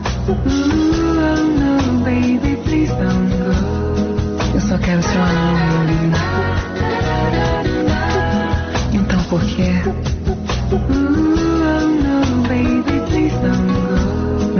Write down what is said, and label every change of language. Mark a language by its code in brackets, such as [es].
[en] Ooh, oh no, baby, please don't go. [pt] Eu só quero ser uma mulher linda. Então por quê? [en] Ooh, oh no, baby, please don't go.